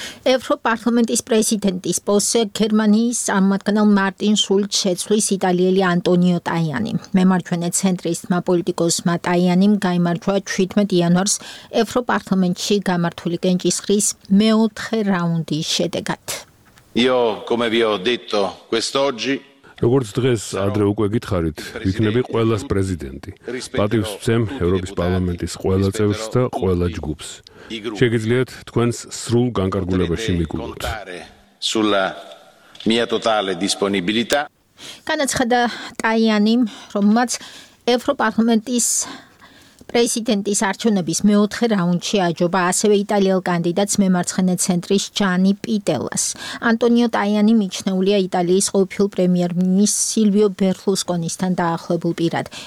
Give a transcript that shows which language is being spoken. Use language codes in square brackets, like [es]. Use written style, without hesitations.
[ka] ევროპარლამენტის პრეზიდენტის პოსტზე გერმანიის წარმომადგენელ მარტინ შულცს შეცვლის იტალიელი ანტონიო ტაიანი. მემარჩვენე ცენტრისტმა პოლიტიკოსმა ტაიანიმ გაიმარჯვა 17 იანვარს ევროპარლამენტში გამართული კენჭისხრის მეოთხე რაუნდის შედეგად. [it] Io come vi ho detto quest'oggi [ka] როგორც დღეს ადრე უკვე გითხარით, ვიქნები ყველას პრეზიდენტი. პატივს ვცემ ევროპის პარლამენტის ყველა წევრს და ყველა ჯგუფს. შეგიძლიათ თქვენს სრულ განკარგულებაში მიგულოთ. [it] Sulla mia totale disponibilità. [ka] განაცხადა ტაიანიმ, რომაც ევროპარლამენტის პრეზიდენტის არჩევნების მეოთხე რაუნდში აჯობა ასევე იტალიელ კანდიდატს მემარცხენე ცენტრის ჯანი პიტელას. ანტონიო ტაიანი მიჩნეულია იტალიის ყოფილ პრემიერ-მინისტრ სილვიო ბერლუსკონისთან დაახლოებულ პირად.